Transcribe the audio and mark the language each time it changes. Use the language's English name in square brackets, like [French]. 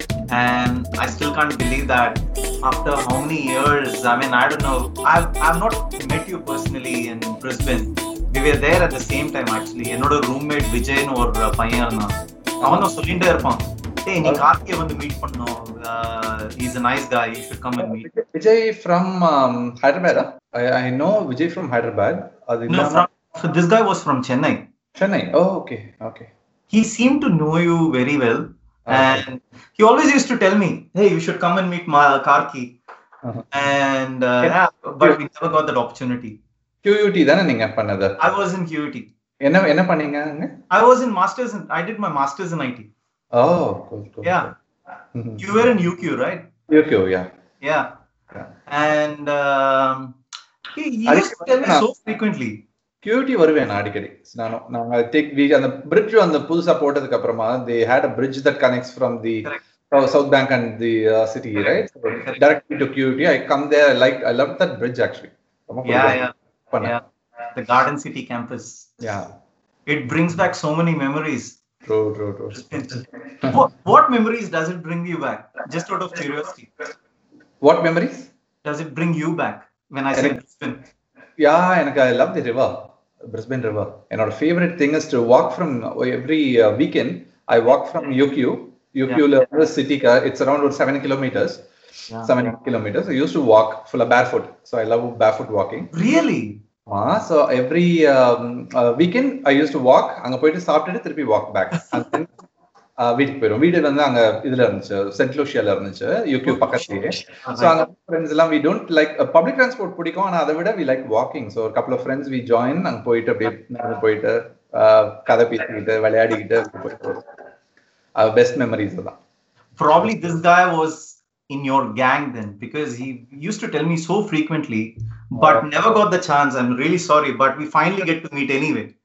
[English] And I still can't believe that after how many years, I mean, I don't know, I've not met you personally in Brisbane. We were there at the same time, actually. [Tamil] என்னோட roommate Vijayan ஒரு பையன் அவன் சொல்லிட்டே இருப்பான், ஏய் நீ கார்த்தியை வந்து மீட் பண்ணனும், [English] He is a nice guy, you should come and meet. Vijay from Hyderabad. I know Vijay from Hyderabad. அது for this guy was from Chennai. Chennai. Oh okay okay. He seem to know you very well and he always used to tell me, hey you should come and meet my Karthi. And but we never got that opportunity. [Tamil] QUT தானே நீங்க பண்ணது? [English] I was in QUT. [Tamil] என்ன என்ன பண்ணீங்க? [English] I was in masters in, I did my masters in IT. Oh, cool. Yeah. You were in UQ, right? UQ, yeah. Yeah. And he used to tell me so frequently. [Tamil] QUT வருவேன் அடிக்கடி. நாங்க take we அந்த bridge அந்த புதுசா போட்டதுக்கு அப்புறமா [English] they had a bridge that connects from the south bank and the city, right? So directly to QUT. I come there, I loved that bridge actually. Yeah. Yeah, the Garden City campus. Yeah. It brings back so many memories. True. what memories does it bring you back? Just out of curiosity. What memories? Does it bring you back when I say Brisbane? Yeah, and I love the river, Brisbane River. And our favorite thing is to walk from, every weekend, I walk from UQ yeah. City, it's around 7 kilometers. Yeah. 7 kilometers. I used to walk full of barefoot. So I love barefoot walking. Really? So every weekend I used to walk. [Tamil] அங்க போயிட்டு சாப்பிட்டு திருப்பி [English] walk back. [Tamil] வீட்டுக்கு போயிடும். வீடு வந்து அங்க இதுல இருந்துச்சு, சென்ட் லூசியால இருந்துச்சு, யூகே பக்கத்துலயே. So அங்க friends எல்லாம் [English] we don't like public transport [Tamil] பிடிக்கும், ஆனா அதை விட [English] we like walking. So a couple of friends we join, [Tamil] அங்க போயிட்டு அப்படியே போயிட்டு கதை பேசிக்கிட்டு விளையாடிக்கிட்டு போயிட்டு [English] best memories [Tamil] தான். [English] Probably this guy was in your gang then, because he used to tell me so frequently, but never got the chance. I'm really sorry, but we finally get to meet anyway.